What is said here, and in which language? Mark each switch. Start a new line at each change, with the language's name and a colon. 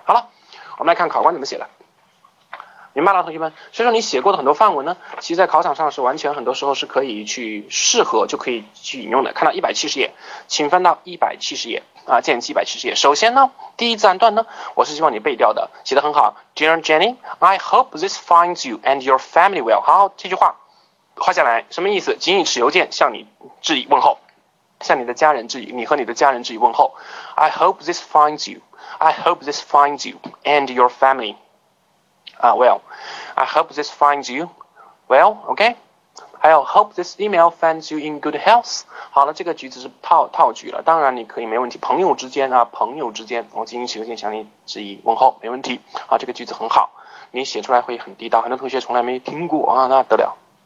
Chinese: 好了，我们来看考官怎么写的。明白了，同学们，所以说你写过的很多范文呢，其实在考场上是完全很多时候是可以去适合就可以去引用的。看到170页，请翻到170页啊，剑七170页。首先呢，第一自然段呢，我是希望你背掉的，写得很好。
English: Dear Jenny，I hope this finds you and your family well。
Chinese: 好，这句话画下来，什么意思？仅以此邮件向你致以问候，向你的家人致以，你和你的家人致以问候。
English: I hope this finds you，I hope this finds you and your family。 Well, I hope this finds you well, okay? 还有 hope this email finds you in good health。
Chinese: 好了，这个句子是套句了，当然你可以没问题。朋友之间啊，朋友之间，我进行写邮件向你致以问候，没问题。啊，这个句子很好，你写出来会很地道，很多同学从来没听过啊，那得了。